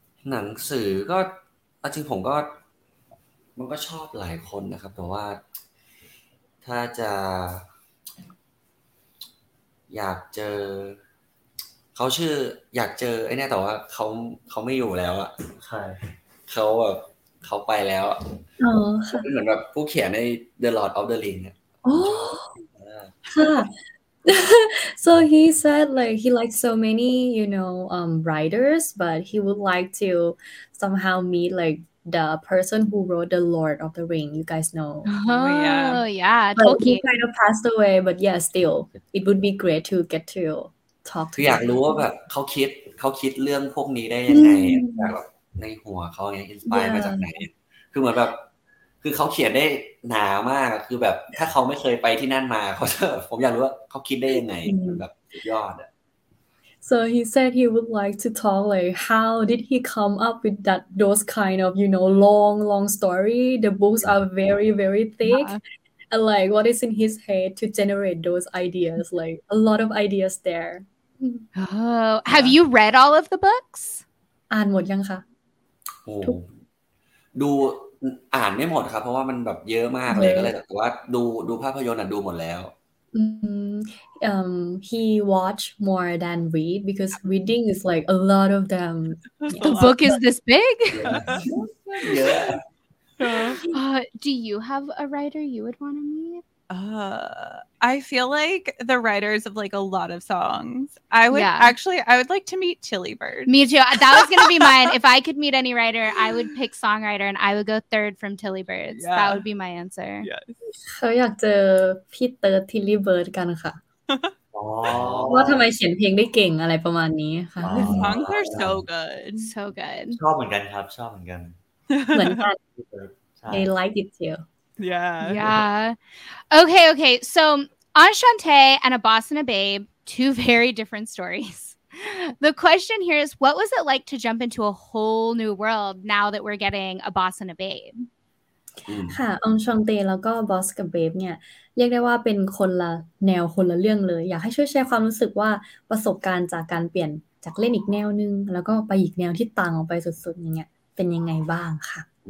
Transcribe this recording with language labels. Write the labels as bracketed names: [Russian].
[Thai] หนังสือก็จริงผมก็มันก็ชอบหลายคนนะครับแต่ว่าถ้าจะอยากเจอเขาชื่ออยากเจอไอ้นี่แต่ว่าเขาไม่อยู่แล้วอ่ะ ใช่เขาแบบเขาไปแล้ว อ๋อ เหมือนแบบผู้เขียนใน The Lord of the Ring อ๋อ [English] ค่ะso he said like he likes so many you know writers but he would like to somehow meet like the person who wrote the Lord of the Ring you guys know oh yeah but he kind of passed away but yeah still it would be great to get to talk to [Thai] อยากรู้ว่าแบบเขาคิดเรื่องพวกนี้ได้ยังไงในหัวเขาไง inspire มาจากไหนคือเหมือนแบบคือเขาเขียนได้หนามากคือแบบถ้าเขาไม่เคยไปที่นั่นมาเขาจะผมอยากรู้ว่าเขาคิดได้ยังไงแบบยอดอ่ะ [English] So he said he would like to talk like how did he come up with that those kind of you know long story the books are very very thick and like what is in his head to generate those ideas like a lot of ideas there Oh have you read all of the books [Thai] อ่านหมดยังคะ โอ้ดูอ่านไม่หมดครับเพราะว่ามันแบบเยอะมากเลยก็เลยแต่ว่าดูภาพยนตร์น่ะดูหมดแล้ว [English] He watch more than read because reading is like a lot of them. The book is this big. Yeah. Do you have a writer you would want to meet? I feel like the writers of like a lot of songs. I would actually, I would like to meet Tilly Bird. Me too. That was gonna be mine. If I could meet any writer, I would pick songwriter, and I would go third from Tilly Bird. Yeah. That would be my answer. Yes. [Thai] เขาอยากเจอพี่เตอร์ Tilly Bird กันค่ะ ว่าทำไมเขียนเพลงได้เก่งอะไรประมาณนี้ค่ะ [English] Songs are so good. So good. [Thai] ชอบเหมือนกันครับชอบเหมือนกัน เหมือนกัน [English] I like it too. Yeah. Okay, okay. So, Enchanté and A Boss and a Babe, two very different stories. The question here is, what was it like to jump into a whole new world now that we're getting A Boss and a Babe? [Thai] ค่ะ Enchanté แล้วก็ Boss กับ Babe เนี่ยเรียกได้ว่าเป็นคนละแนวคนละเรื่องเลยอยากให้ช่วยแชร์ความรู้สึกว่าประสบการณ์จากการเปลี่ยนจากเล่นอีกแนวนึงแล้วก็ไปอีกแนวที่ต่างออกไปสุดๆอย่างเงี้ยเป็นยังไงบ้างค่ะ